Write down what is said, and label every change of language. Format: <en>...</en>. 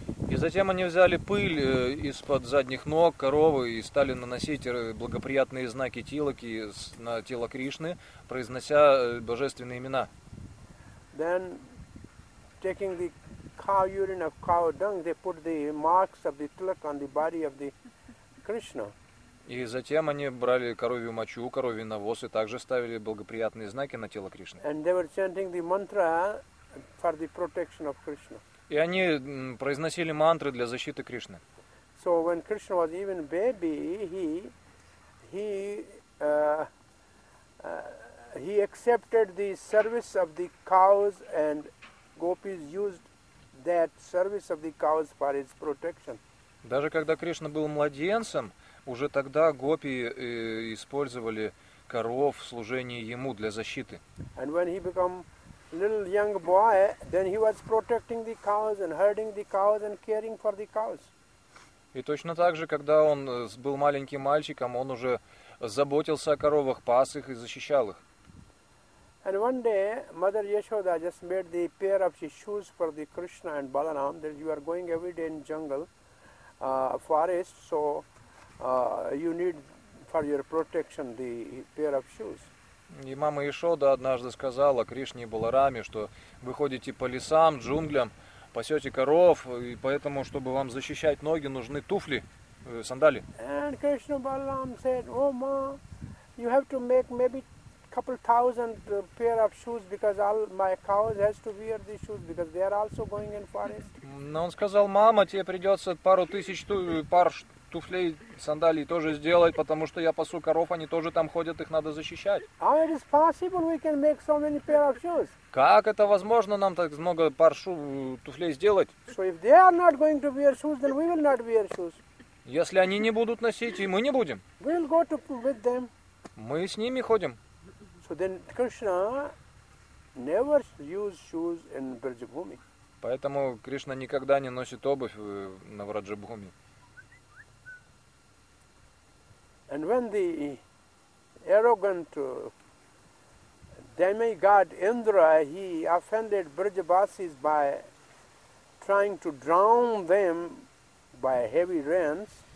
<ru>И затем они взяли пыль из-под задних ног коровы и стали наносить благоприятные знаки тилаки на тело Кришны, произнося божественные имена.</ru> <en>Then taking the cow urine of cow dung, they put the marks of the tilak on the body of the Krishna.</en> <ru>И затем они брали коровью мочу, коровий навоз и также ставили благоприятные знаки на тело Кришны.</ru> <en>And they were chanting the mantra for the protection of Krishna.</en> <ru>И они произносили мантры для защиты Кришны.</ru> <en>So when Krishna was even baby, he accepted the service of the cows and gopis used that service of the cows for his protection.</en> <ru>Даже когда Кришна был младенцем, уже тогда гопи использовали коров в служении ему для защиты.</ru> <en>And when he became a little young boy, then he was protecting the cows and herding the cows and caring for the cows.</en> <ru>И точно так же, когда он был маленьким мальчиком, он уже заботился о коровах, пас их и защищал их.</ru> <en>And one day, Mother Yashoda just made the pair of shoes for the Krishna and Balaram, that you are going every day in jungle, forest, so you need for your protection the pair of shoes.</en> <ru>И мама Ишода однажды сказала Кришне и Баларами, что вы ходите по лесам, джунглям, пасете коров, и поэтому, чтобы вам защищать ноги, нужны туфли, сандали.</ru> <en>And Krishna Balaram said, oh, ma, you have to make maybe couple thousand pair of shoes because all my cows has to wear these shoes because they are also going in forest.</en> <ru>Но он сказал, мама, тебе придется пару тысяч пар туфлей, сандалий тоже сделать, потому что я пасу коров, они тоже там ходят, их надо защищать.</ru> <en>How it is possible we can make so many pair of shoes?</en> <ru>Как это возможно нам так много пар туфлей сделать?</ru> <en>So if they are not going to wear shoes, then we will not wear shoes.</en> <ru>Если они не будут носить, и мы не будем.</ru> <en>We'll go to with them.</en> <ru>Мы с ними ходим.</ru> <en>So then Krishna never used shoes in Vrajabhumi.</en> <ru>Поэтому Кришна никогда не носит обувь на Враджабхуми.</ru> <en>And when the arrogant demigod Indra, he offended Vrajavasis by trying to drown them by heavy rains,</en>